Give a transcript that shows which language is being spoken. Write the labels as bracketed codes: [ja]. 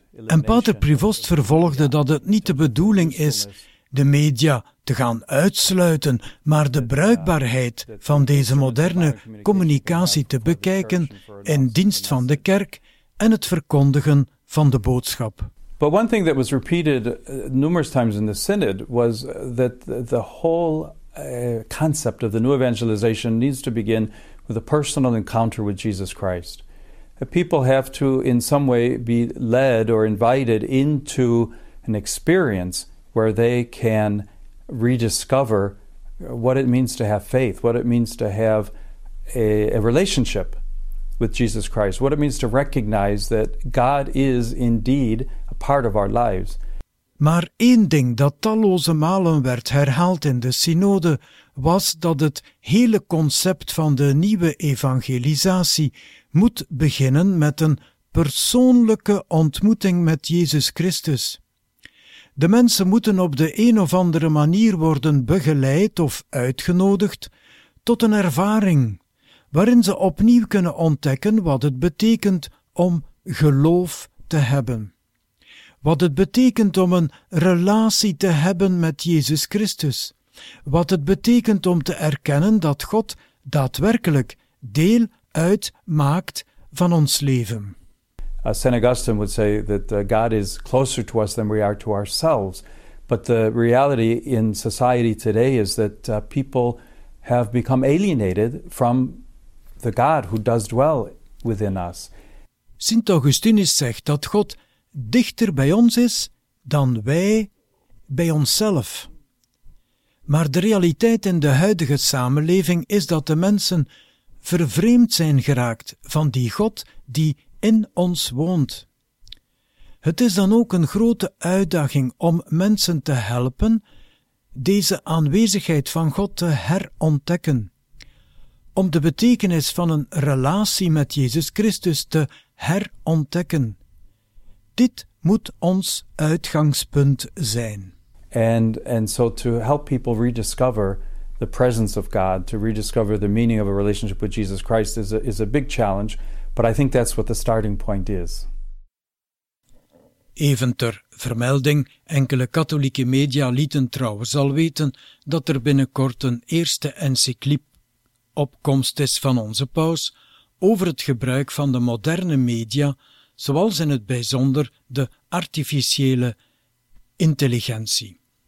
[nl] En Pater Privost vervolgde dat het niet de bedoeling is de media te gaan uitsluiten, maar de bruikbaarheid van deze moderne communicatie te bekijken in dienst van de kerk en het verkondigen van de boodschap. [en] But one thing that was repeated numerous times in the synod was that the whole concept of the new evangelization needs to begin with a personal encounter with Jesus Christ. People have to in some way be led or invited into an experience where they can rediscover what it means to have faith, what it means to have a relationship with Jesus Christ, what it means to recognize that God is indeed a part of our lives. [nl] Maar één ding dat talloze malen werd herhaald in de synode was dat het hele concept van de nieuwe evangelisatie moet beginnen met een persoonlijke ontmoeting met Jezus Christus. De mensen moeten op de een of andere manier worden begeleid of uitgenodigd tot een ervaring waarin ze opnieuw kunnen ontdekken wat het betekent om geloof te hebben. Wat het betekent om een relatie te hebben met Jezus Christus. Wat het betekent om te erkennen dat God daadwerkelijk deel uitmaakt van ons leven. [en] St. Augustine would say that God is closer to us than we are to ourselves. But the reality in society today is that people have become alienated from the God who does dwell within us. [nl] St. Augustinus zegt dat God dichter bij ons is dan wij bij onszelf. Maar de realiteit in de huidige samenleving is dat de mensen vervreemd zijn geraakt van die God die in ons woont. Het is dan ook een grote uitdaging om mensen te helpen deze aanwezigheid van God te herontdekken, om de betekenis van een relatie met Jezus Christus te herontdekken. Dit moet ons uitgangspunt zijn. [en] And so to help people rediscover the presence of God, to rediscover the meaning of a relationship with Jesus Christ is a big challenge, but I think that's what the starting point is. [nl] Even ter vermelding, enkele katholieke media lieten trouwens al weten dat er binnenkort een eerste encycliek opkomst is van onze paus over het gebruik van de moderne media, zoals in het bijzonder de artificiële intelligentie.